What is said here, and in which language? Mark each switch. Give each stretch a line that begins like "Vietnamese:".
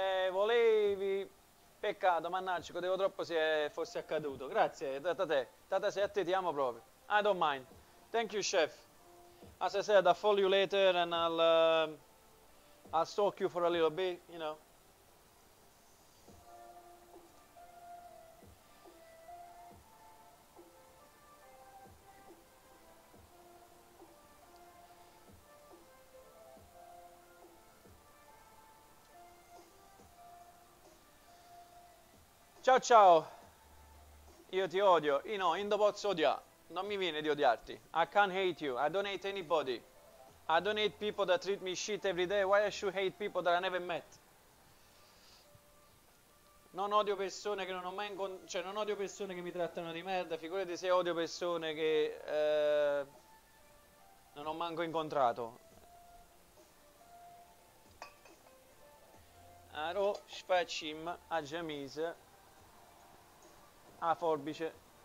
Italian: Volevi, peccato, mannaggia, godevo troppo se fosse accaduto. Grazie, tata, ti amo proprio.
English: I don't mind. Thank you, chef. As I said, I'll follow you later and I'll stalk you for a little bit, you know.
Italian: Ciao ciao. Io ti odio.
English: You know, in the box odia.
Italian: Non mi viene di odiarti.
English: I can't hate you. I don't hate anybody. I don't hate people that treat me shit every day. Why I should hate people that I never met?
Italian: Non odio persone che non ho mai incontrato. Cioè, non odio persone che mi trattano di merda. Figurati se odio persone che non ho manco incontrato. Aro shfaqim a xhamize a forbice.